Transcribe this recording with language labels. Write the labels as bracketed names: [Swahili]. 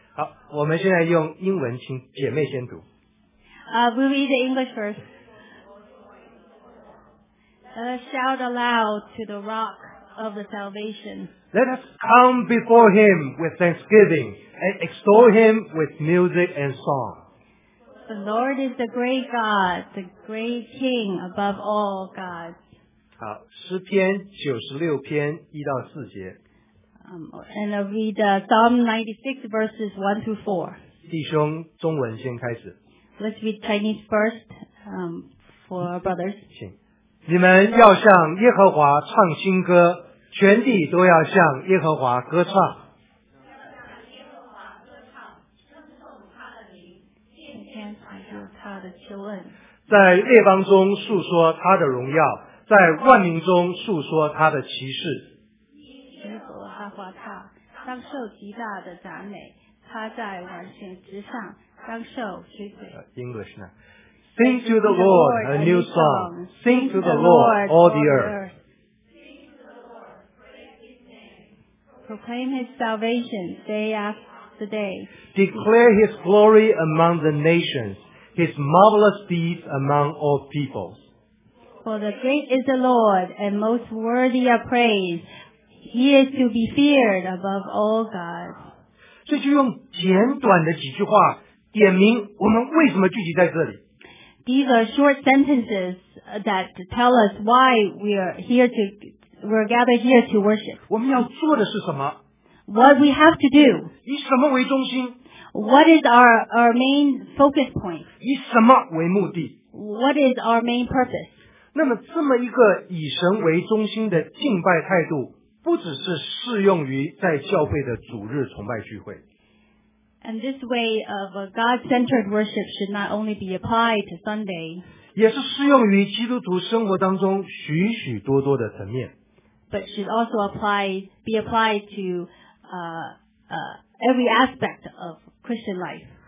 [Chinese] 因耶和华为大神，为大王，超乎万神之上。好，我们现在用英文，请姐妹先读。 [English] We'll read the English first. Let us shout aloud to the rock of the salvation. Let us come before him with thanksgiving and extol him with music and song. The Lord is the great God, the great King above all gods. [Chinese] 好，诗篇96篇1到4节。 [English] And I'll read Psalm 96 verses 1 through 4. [Chinese] 弟兄，中文先开始。 [English] Let's read Chinese first for our brothers. [Chinese] 请。你们要向耶和华唱新歌，全地都要向耶和华歌唱。要向耶和华歌唱，称颂他的名，敬虔他的名。天传授他的救恩，在列邦中述说他的荣耀，在万民中述说他的奇事。耶和华他当受极大的赞美，他在万星之上当受尊贵。 [English] English now. Sing to the Lord a new song. Sing to the Lord all the earth. Proclaim his salvation day after day. Declare his glory among the nations, his marvelous deeds among all peoples. For the great is the Lord and most worthy of praise. He is to be feared above all gods. [Chinese] 这就用简短的几句话点明我们为什么聚集在这里。 [English] These are short sentences that tell us why we are here to, we're gathered here to worship. [Chinese] 我们要做的是什么？ [English] What we have to do. [Chinese] 以什么为中心？ [English] What is our main focus point? [Chinese] 以什么为目的？ [English] What is our main purpose? [Chinese] 那么这么一个以神为中心的敬拜态度，不只是适用于在教会的主日崇拜聚会。 [English] And this way of a God-centered worship should not only be applied to Sunday. [Chinese] 也是适用于基督徒生活当中许许多多的层面。 [English] But should also be applied to every aspect of Christian life.